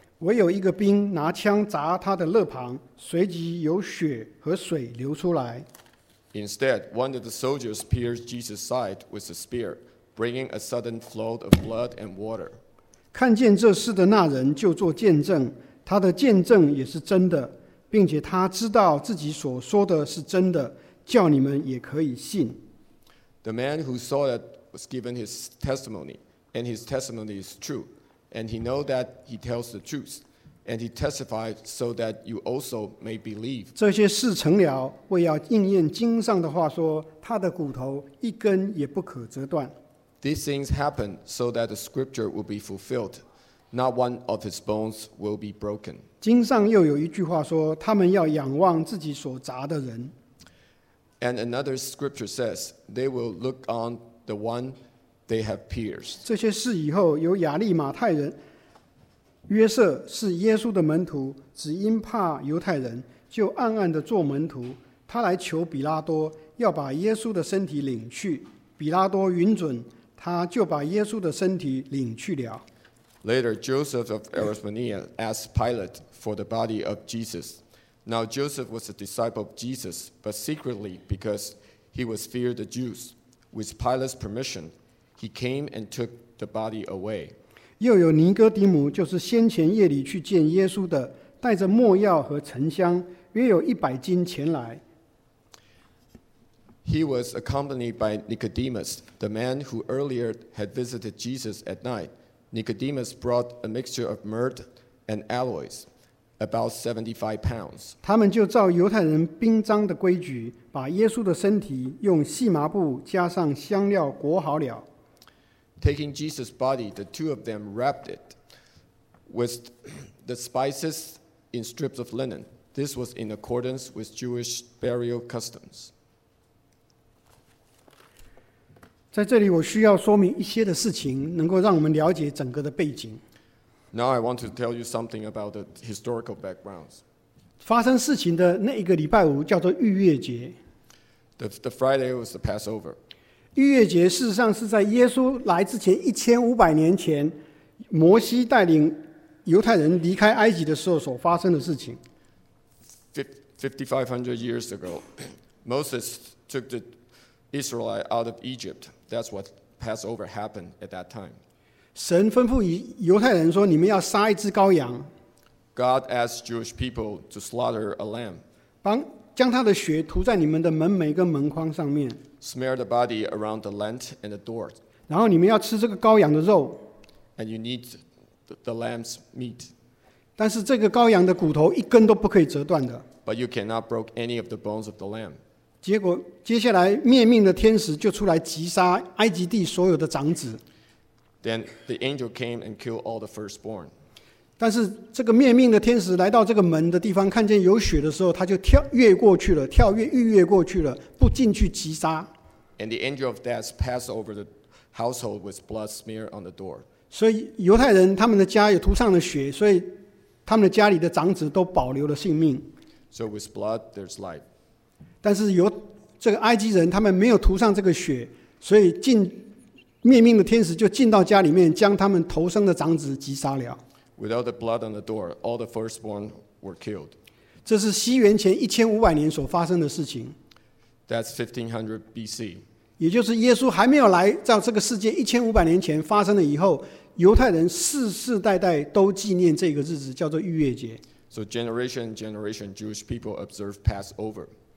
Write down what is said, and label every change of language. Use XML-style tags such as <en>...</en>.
<zh>唯有一个兵拿枪砸他的肋旁，随即有血和水流出来。</zh> <en>Instead, one of the soldiers pierced Jesus' side with a spear, bringing a sudden flow of blood and water.</en> <zh>看见这事的那人就做见证，他的见证也是真的，并且他知道自己所说的是真的，叫你们也可以信。</zh> <en>The man who saw it was given his testimony, and his testimony is true, and he knows that he tells the truth. And he testified so that you also may believe.</en> <zh>这些事成了，为要应验经上的话说，他的骨头一根也不可折断。</zh> <en>These things happened so that the scripture would be fulfilled. Not one of his bones will be broken.</en> <zh>经上又有一句话说，他们要仰望自己所砸的人。</zh> <en>And another scripture says, they will look on the one they have pierced.</en> <zh>这些事以后，有亚利马太人约瑟是耶稣的门徒，只因怕犹太人，就暗暗地做门徒。他来求比拉多，要把耶稣的身体领去。比拉多允准，他就把耶稣的身体领去了。</zh> <en>Later, Joseph of Arimathea asked Pilate for the body of Jesus. Now Joseph was a disciple of Jesus, but secretly because he was feared the Jews. With Pilate's permission, he came and took the body away.</en> <zh>又有尼哥底母，就是先前夜里去见耶稣的，带着末药和沉香，约有一百斤前来。</zh> <en>He was accompanied by Nicodemus, the man who earlier had visited Jesus at night. Nicodemus brought a mixture of myrrh and aloes, about 75 pounds.</en> <zh>他们就照犹太人殡葬的规矩，把耶稣的身体用细麻布加上香料裹好了。</zh> <en>Taking Jesus' body, the two of them wrapped it with the spices in strips of linen. This was in accordance with Jewish burial customs.</en> <zh>在这里我需要说明一些的事情，能够让我们了解整个的背景。</zh> <en>Now I want to tell you something about the historical backgrounds.</en> <zh>发生事情的那一个礼拜五叫做逾越节。</zh> <en>The Friday was the Passover.</en> <zh>逾越节事实上是在耶稣来之前1500年前，摩西带领犹太人离开埃及的时候所发生的事情。</zh> <en>5500 years ago, Moses took the Israelites out of Egypt. That's what Passover happened at that time.</en> <zh>神吩咐犹太人说，你们要杀一只羔羊。</zh> <en>God asked Jewish people to slaughter a lamb.</en> <zh>将他的血涂在你们的门楣跟门框上面。</zh> <en>Smear the body around the lintel and the door.</en> <zh>然后你们要吃这个羔羊的肉。</zh> <en>And you need the lamb's meat.</en> <zh>但是这个羔羊的骨头一根都不可以折断的。</zh> <en>But you cannot break any of the bones of the lamb.</en> <zh>结果接下来灭命的天使就出来击杀埃及地所有的长子。</zh> <en>Then the angel came and killed all the firstborn.</en> <zh>但是这个灭命的天使来到这个门的地方，看见有血的时候，他就跳越过去了，跳越逾越过去了，不进去击杀。</zh> <en>And the angel of death passed over the household with blood smeared on the door.</en> <zh>所以犹太人他们的家也涂上了血，所以他们的家里的长子都保留了性命。</zh> <en>So with blood, there's life.</en> <zh>但是由这个埃及人他们没有涂上这个血，所以进灭命的天使就进到家里面，将他们头生的长子击杀了。</zh> <en>Without the blood on the door, all the firstborn were killed.</en> <zh>这是西元前1500年所发生的事情。</zh> <en>That's 1500 BC.</en> <zh>也就是耶稣还没有来到这个世界1500年前发生了以后，犹太人世世代代都纪念这个日子，叫做逾越节。</zh> <en>So generation generation Jewish people observe Passover.</en>